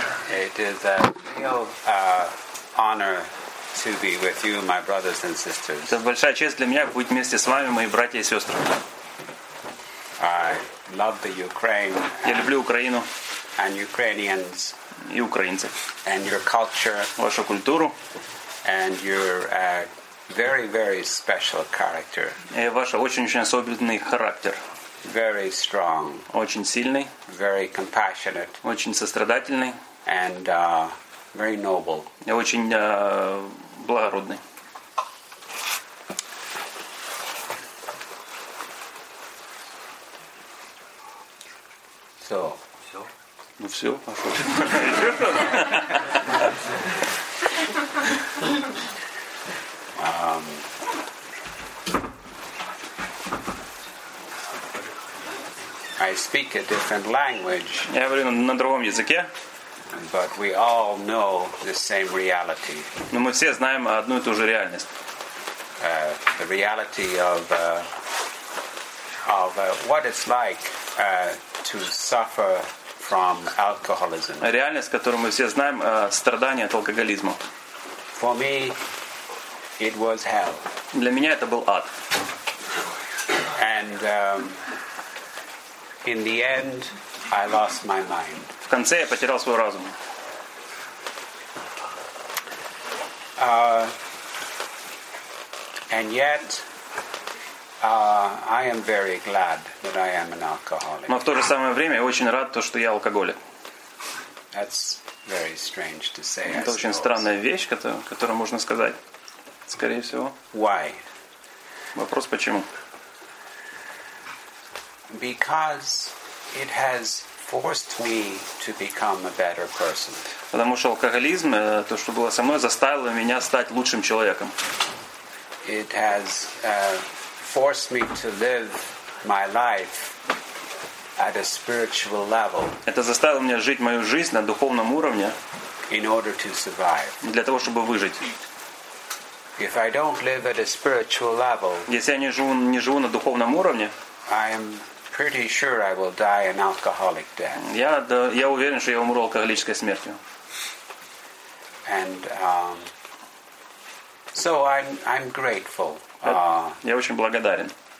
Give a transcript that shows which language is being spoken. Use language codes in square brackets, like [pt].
[en] It is a real honor to be with you, my brothers and sisters. [ru] Это большая честь для меня быть вместе с вами, мои братья и сестры. [en] I love the Ukraine. [ru] Я люблю Украину. [en] And Ukrainians. [ru] И украинцев. [en] And your culture. [ru] Вашу культуру. [en] And your very, very special character. [ru] И ваш очень-очень особенный характер. [en] Very strong. [ru] Очень сильный. [en] Very compassionate. [ru] Очень сострадательный. [en] And very noble. [ru] И очень благородный. [en] So. [ru] Все. Ну все, пошел. [en] I speak a different language. [ru] Я говорю на другом языке. [en] But we all know the same reality. [ru] Но мы все знаем одну и ту же реальность. [en] The reality of what it's like to suffer from alcoholism. [ru] Реальность, которую мы все знаем, страдания от алкоголизма. [en] For me, it was hell. [ru] Для меня это был ад. [en] And in the end, I lost my mind. [ru] В конце я потерял свой разум. [en] And yet, I am very glad that I am an alcoholic. [ru] Но в то же самое время я очень рад, что я алкоголик. [en] That's very strange to say. [ru] Это очень странная вещь, которую можно сказать, скорее всего. [en] Why? [ru] Вопрос почему? [en] Because it has forced me to become a better person. [ru] Потому что алкоголизм, то, что было со мной, заставило меня стать лучшим человеком. [en] It has forced me to live my life at a spiritual level. [ru] Это заставило меня жить мою жизнь на духовном уровне. [en] In order to survive. [ru] Для того, чтобы выжить. [en] If I don't live at a spiritual level. [ru] Если я не живу на духовном уровне. [en] Pretty sure I will die an alcoholic death. [ru] Я уверен, что я умру алкоголической смертью. [en] And so I'm grateful. [ru] Я очень благодарен.